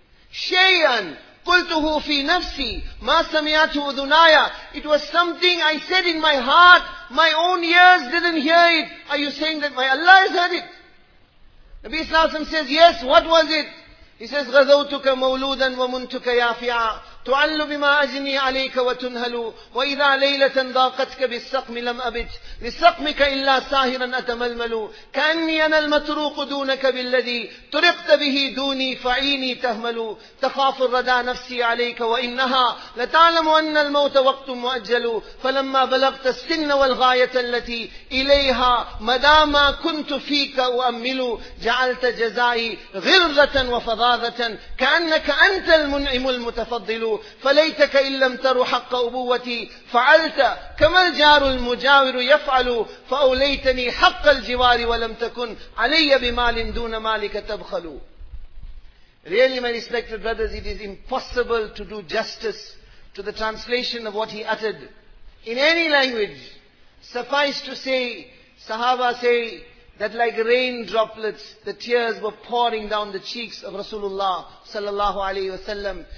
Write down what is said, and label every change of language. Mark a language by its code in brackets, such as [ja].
[ar] Shay'an qultuhu fi nafsi ma sami'atu udunaya. [en] It was something I said in my heart, my own ears didn't hear it. Are you saying that my Allah has heard it? Nabi Sallallahu Alaihi Wasallam says, yes, what was it? He says, [ar] غَذَوْتُكَ مَوْلُودًا وَمُنْتُكَ يَافِعًا تعل بما أجني عليك وتنهل وإذا ليلة ضاقتك بالسقم لم أبت لسقمك إلا ساهرا أتململ كأني أنا المتروق دونك بالذي طرقت به دوني فعيني تهمل تخاف الردى نفسي عليك وإنها لتعلم أن الموت وقت مؤجل فلما بلغت السن والغاية التي إليها مداما كنت فيك أؤمل جعلت جزائي غرة وفظاظة كأنك أنت المنعم المتفضل فليتك إن لم تر حق أبوتي فعلت كما الجار المجاور يفعل فأوليتني حق الجوار ولم تكن علي بمال دون مالك تبخل. [en] Really, my respected brothers, it is impossible to do justice to the translation of what he uttered in any language. Suffice to say, Sahaba say that like rain droplets, the tears were pouring down the cheeks of Rasulullah sallallahu alayhi wa sallam.